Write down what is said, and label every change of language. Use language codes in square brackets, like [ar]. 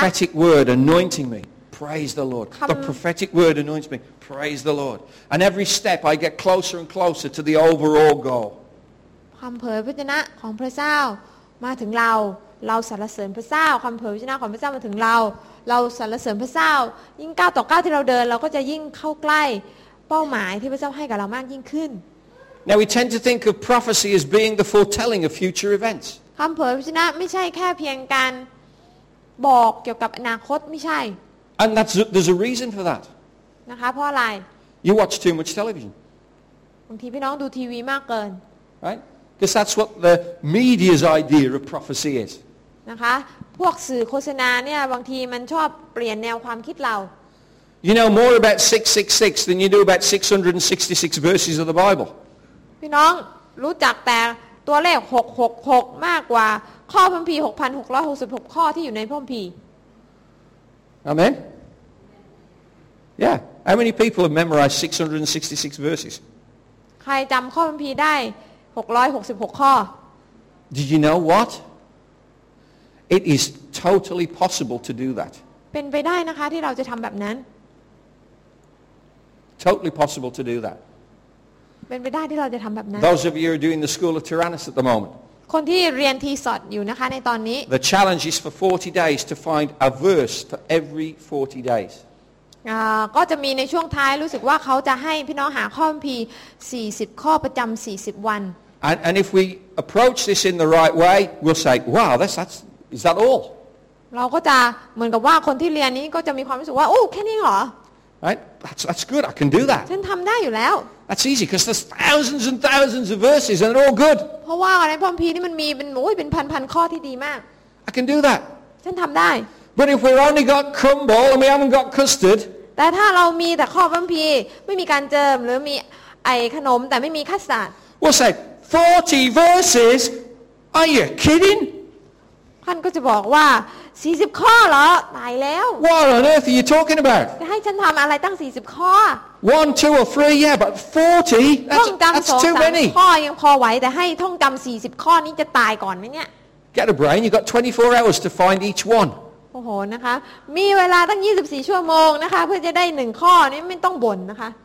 [en] Prophetic word anointing me. Praise the Lord. The prophetic word anoints me. Praise the Lord. And every step I get closer and closer to the overall goal. [th] ความเผยพระวจนะของพระเจ้ามาถึงเราเราสรรเสริญพระเจ้าความเผยพระวจนะของพระเจ้ามาถึงเราเราสรรเสริญพระเจ้ายิ่งก้าวต่อก้าวที่เราเดินเราก็จะยิ่งเข้าใกล้เป้าหมายที่พระเจ้าให้กับเรามากยิ่งขึ้น [en] Now we tend to think of prophecy as being the foretelling of future events. [th] คำเผยพระชนะไม่ใช่แค่เพียงการบอกเกี่ยวกับอนาคตไม่ใช่ [en] And that's there's a reason for that [th] นะคะเพราะอะไร [en] You watch too much television [th] บางทีพี่น้องดูทีวีมากเกิน [en] Right because that's what the media's idea of prophecy is [th] นะคะพวกสื่อโฆษณาเนี่ยบางทีมันชอบเปลี่ยนแนวความคิดเรา [en] You know more about 666 than you do about 666 verses of the Bible [th] พี่น้องรู้จักแต่ตัวเลข666มากกว่าข้อพระคัมภีร์ 6,666 ข้อที่อยู่ในพระคัมภีร์ [en] Amen Yeah How many people have memorized 666 verses [th] ใครจำข้อพระคัมภีร์ได้666ข้อ [en] Did you know what It is totally possible to do that [th] เป็นไปได้นะคะที่เราจะทำแบบนั้น [en] Totally possible to do that [th] เป็นไปได้ที่เราจะทำแบบนั้น [en] Those of you are doing the school of Tyrannus at the moment [th] คนที่เรียนทีสอดอยู่นะคะในตอนนี้ [en] The challenge is for 40 days to find a verse for every 40 days [th] ก็จะมีในช่วงท้ายรู้สึกว่าเขาจะให้พี่น้องหาข้อพระคัมภีร์40ข้อประจำ40วัน [en] And if we approach this in the right way we'll say wow that's is that all [th] เราก็จะเหมือนกับว่าคนที่เรียนนี้ก็จะมีความรู้สึกว่าโอ้แค่นี้เหรอ [en] Right, that's good. I can do that. [th] ฉันทำได้อยู่แล้ว [en] That's easy because there's thousands and thousands of verses and they're all good. [th] เพราะว่าในพระคัมภีร์นี่มันมีเป็นโอ้ยเป็นพันพันข้อที่ดีมาก [en] I can do that. [th] ฉันทำได้ [en] But if we've only got crumble and we haven't got custard. [th] แต่ถ้าเรามีแต่ข้อพระคัมภีร์ไม่มีการเจิมหรือมีไอ้ขนมแต่ไม่มีคัสตาร์ด [en] We'll say 40 verses. Are you kidding? [th] ท่านก็จะบอกว่า40ข้อเหรอตายแล้ว [en] What on earth are you talking about [th] จะให้ฉันทำอะไรตั้ง40ข้อ [en] 1, 2, or 3, yeah, but 40 that's too many [th] ข้อยังพอไหวแต่ให้ท่องจำ40ข้อนี้จะตายก่อนไหมเนี่ย [en] Get a brain, you've got 24 hours to find each one [th] โอ้โหนะคะมีเวลาตั้ง24ชั่วโมงนะคะเพื่อจะได้1ข้อนี้ไม่ต้องบ่นนะคะ